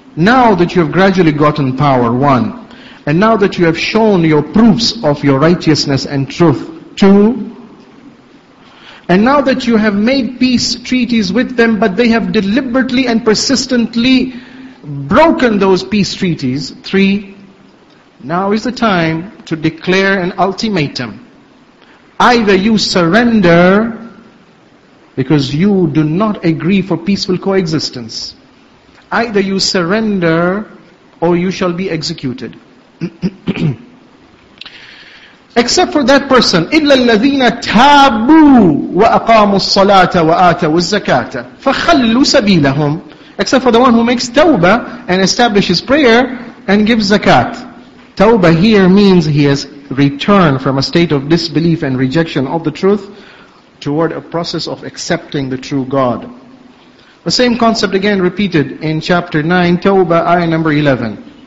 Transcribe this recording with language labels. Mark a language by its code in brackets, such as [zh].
[en] Now that you have gradually gotten power, one, and now that you have shown your proofs of your righteousness and truth, two, and now that you have made peace treaties with them, but they have deliberately and persistently broken those peace treaties, three, now is the time to declare an ultimatum. Either you surrender because you do not agree for peaceful coexistence. Either you surrender or you shall be executed. Except for that person, [ar] إِلَّا الَّذِينَ تَابُوا وَأَقَامُوا الصَّلَاةَ وَآتَوُوا الزَّكَاةَ فَخَلُّوا سَبِيلَهُمْ. [en] Except for the one who makes tawbah and establishes prayer and gives zakat. Tawbah here means he has returned from a state of disbelief and rejection of the truth toward a process of accepting the true God. The same concept again repeated in chapter 9, tawbah, ayah number 11.